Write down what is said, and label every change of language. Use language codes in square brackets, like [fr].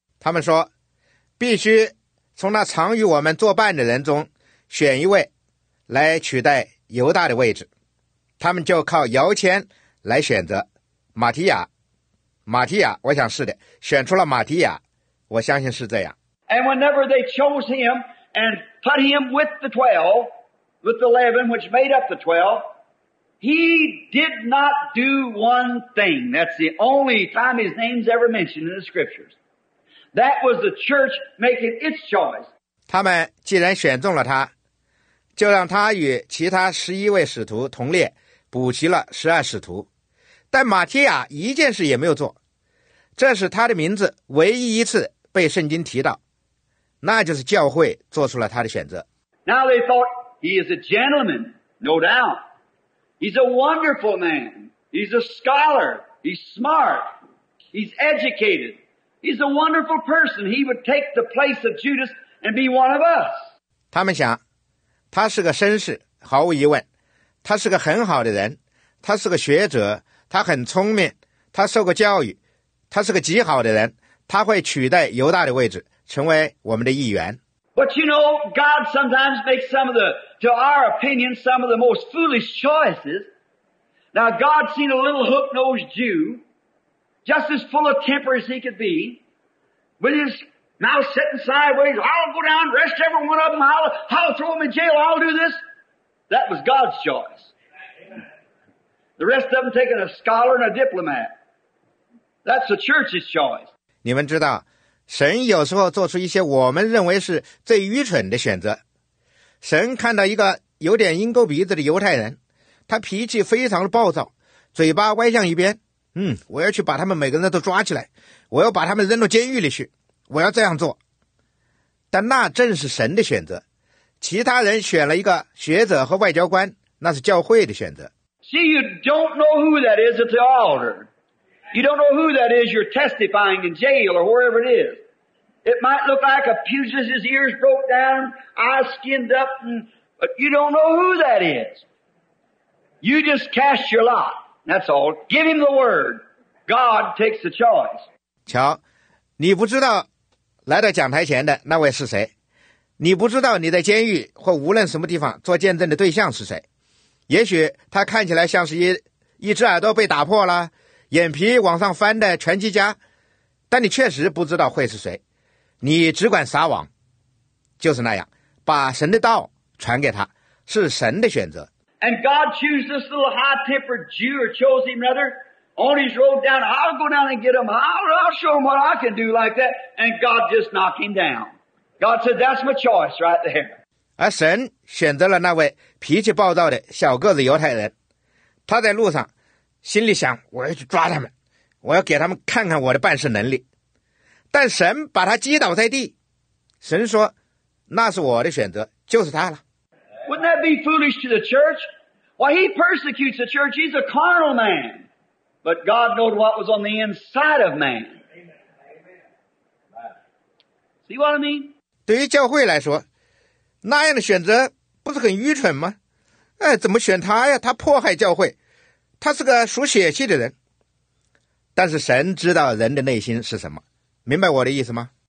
[zh] 他们说，必须从那常与我们作伴的人中选一位来取代犹大的位置。他们就靠摇签来选择马提亚。马提亚，我想是的，选出了马提亚，我相信是这样。 [en] And whenever they chose him and put him with the 12, with the 11, which made up the 12, he did not do one thing. That's the only time his name's ever mentioned in the scriptures. That was the church making its choice. [zh] 他们既然选中了他，就让他与其他十一位使徒同列，补齐了十二使徒。但马提亚一件事也没有做，这是他的名字唯一一次被圣经提到。那就是教会做出了他的选择。 [en] Now they thought he is a gentleman, no doubt. He's a wonderful man. He's a scholar. He's smart. He's educated. He's a wonderful person. He would take the place of Judas and be one of us. [zh] 他们想，他是个绅士，毫无疑问，他是个很好的人，他是个学者，他很聪明，他受过教育，他是个极好的人，他会取代犹大的位置。成为我们的议员。 [en] But you know, God sometimes makes some of the, to our opinion, some of the most foolish choices. Now, God seen a little hook-nosed Jew, just as full of temper as he could be, with his mouth sitting sideways, I'll go down, arrest every one of them, I'll throw them in jail, I'll do this. That was God's choice. The rest of them taking a scholar and a diplomat. That's the church's choice. [zh] 你们知道神有时候做出一些我们认为是最愚蠢的选择。神看到一个有点鹰钩鼻子的犹太人，他脾气非常的暴躁，嘴巴歪向一边，我要去把他们每个人都抓起来，我要把他们扔到监狱里去，我要这样做。但那正是神的选择。其他人选了一个学者和外交官，那是教会的选择。 [en] See, you don't know who that is at the altar. You don't know who that is you're testifying in jail or wherever it is. It might look like a pugilist, his ears broke down, eyes skinned up, but you don't know who that is. You just cast your lot, that's all. Give him the word. God takes the choice. [zh] 瞧，你不知道来到讲台前的那位是谁，你不知道你在监狱或无论什么地方做见证的对象是谁。也许他看起来像是一只耳朵被打破了，眼皮往上翻的拳击家，但你确实不知道会是谁，你只管撒网，就是那样，把神的道传给他，是神的选择。 [en] And God chose this little high-tempered Jew, or chose him rather, on his road down, I'll go down and get him, I'll show him what I can do like that, and God just knocked him down. God said, that's my choice right there. [zh] 而神选择了那位脾气暴躁的小个子犹太人，他在路上心里想，我要去抓他们，我要给他们看看我的办事能力。但神把他击倒在地，神说，那是我的选择，就是他了。 [en] Wouldn't that be foolish to the church? Why, he persecutes the church, he's a carnal man. But God knows what was on the inside of man. See what I mean? [zh] 对于教会来说，那样的选择不是很愚蠢吗？哎，怎么选他呀？他迫害教会。他是个属血气的人，但是神知道人的内心是什么，明白我的意思吗？